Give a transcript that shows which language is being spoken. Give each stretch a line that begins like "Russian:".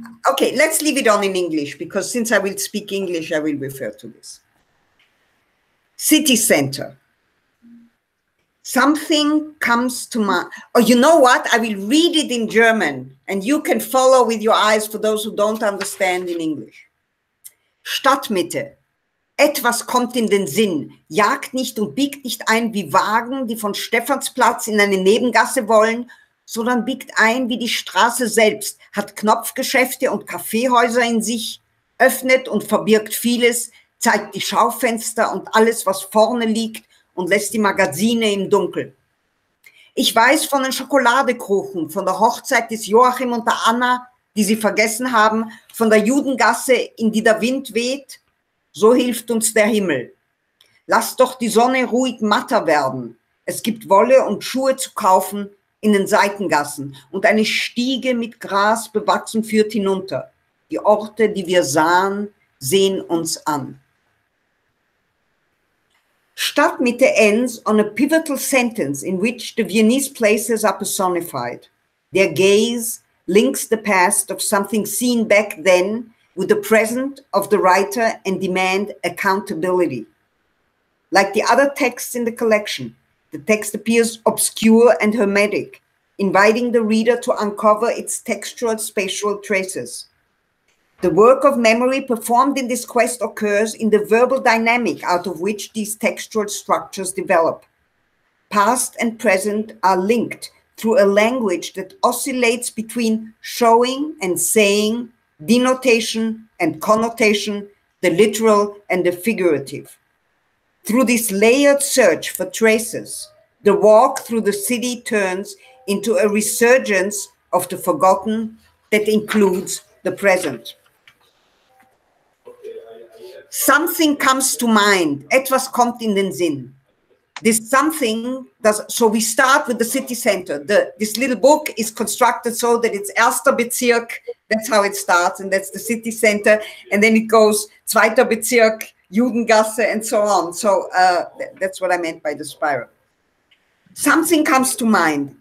English: Okay, let's leave it on in English, because since I will speak English, I will refer to this. City center. something comes to mind. Oh, you know what? I will read it in German and you can follow with your eyes for those who don't understand in English.
German: Stadtmitte. Etwas kommt in den Sinn, jagt nicht und biegt nicht ein wie Wagen, die von Stephansplatz in eine Nebengasse wollen, sondern biegt ein wie die Straße selbst, hat Knopfgeschäfte und Kaffeehäuser in sich, öffnet und verbirgt vieles, zeigt die Schaufenster und alles, was vorne liegt und lässt die Magazine im Dunkel. Ich weiß von den Schokoladekuchen, von der Hochzeit des Joachim und der Anna, die sie vergessen haben, von der Judengasse, in die der Wind weht. So hilft uns der Himmel. Lass doch die Sonne ruhig matter werden. Es gibt Wolle und Schuhe zu kaufen in den Seitengassen und eine Stiege mit Gras bewachsen führt hinunter. Die Orte, die wir sahen, sehen uns an.
English: Stadtmitte ends on a pivotal sentence in which the Viennese places are personified. Their gaze links the past of something seen back then with the present of the writer and demand accountability. Like the other texts in the collection, the text appears obscure and hermetic, inviting the reader to uncover its textual spatial traces. The work of memory performed in this quest occurs in the verbal dynamic out of which these textual structures develop. Past and present are linked through a language that oscillates between showing and saying, denotation and connotation, the literal and the figurative. Through this layered search for traces, the walk through the city turns into a resurgence of the forgotten that includes the present. Something comes to mind,
German: etwas kommt in den Sinn.
English: This something does, so we start with the city center. This little book is constructed so that it's erster Bezirk, that's how it starts, and that's the city center. And then it goes zweiter Bezirk, Judengasse, and so on. So that's what I meant by the spiral. Something comes to mind.